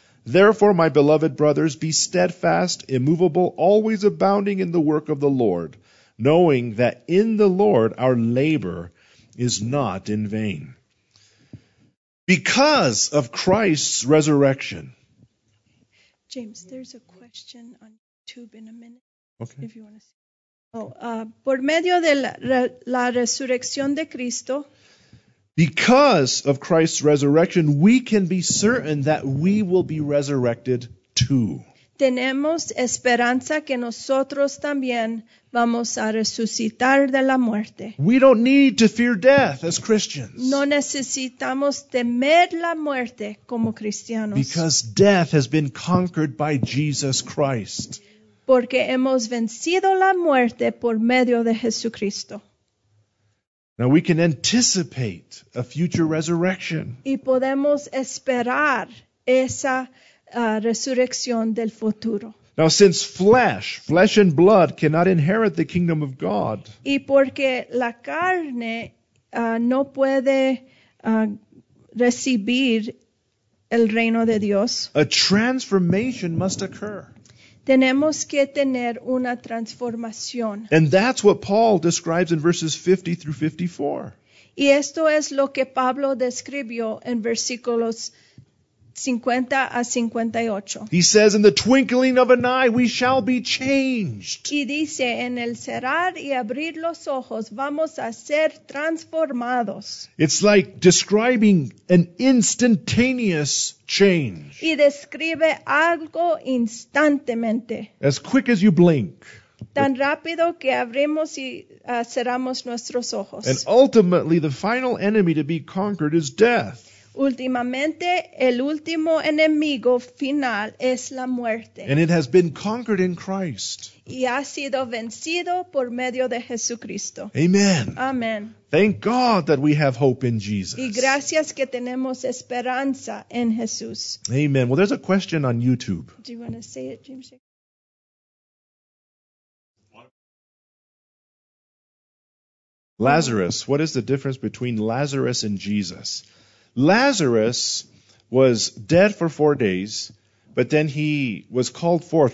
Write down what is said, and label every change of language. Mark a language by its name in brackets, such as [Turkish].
[English] Therefore, my beloved brothers, be steadfast, immovable, always abounding in the work of the Lord, knowing that in the Lord our labor is not in vain. Because of Christ's resurrection. James, there's a question on YouTube in a minute. Okay. If you want to see. [Spanish] Por medio de la resurrección de Cristo. [English] Because of Christ's resurrection, we can be certain that we will be resurrected too. [Spanish] Tenemos esperanza que nosotros también vamos a resucitar de la muerte. [English] We don't need to fear death as Christians. [Spanish] No necesitamos temer la muerte como cristianos. [English] Because death has been conquered by Jesus Christ. [Spanish] Porque hemos vencido la muerte por medio de Jesucristo. [English] Now we can anticipate a future resurrection. [Spanish] Y podemos esperar esa resurrección del futuro. [English] Now, since flesh and blood cannot inherit the kingdom of God, [Spanish] y porque la carne no puede recibir el reino de Dios, [English] a transformation must occur. [Spanish] Tenemos que tener una transformación. [English] And that's what Paul describes in verses 50 through 54. [Spanish] Y esto es lo que Pablo describió en versículos 50 a 58. [English] He says, in the twinkling of an eye, we shall be changed. [Spanish] Y dice, en el cerrar y abrir los ojos, vamos a ser transformados. [English] It's like describing an instantaneous change. [Spanish] Y describe algo instantemente. [English] As quick as you blink. [Spanish] Tan rápido que abrimos y cerramos nuestros ojos. [English] And ultimately, the final enemy to be conquered is death. [Spanish] Últimamente, el último enemigo final es la muerte. [English] And it has been conquered in Christ. [Spanish] Y ha sido vencido por medio de Jesucristo. Amen. Amen. [English] Thank God that we have hope in Jesus. [Spanish] Y gracias que tenemos esperanza en Jesús. Amen. [English] Well, there's a question on YouTube. Do you want to say it, James? Lazarus, what is the difference between Lazarus and Jesus? Lazarus was dead for 4 days, but then he was called forth.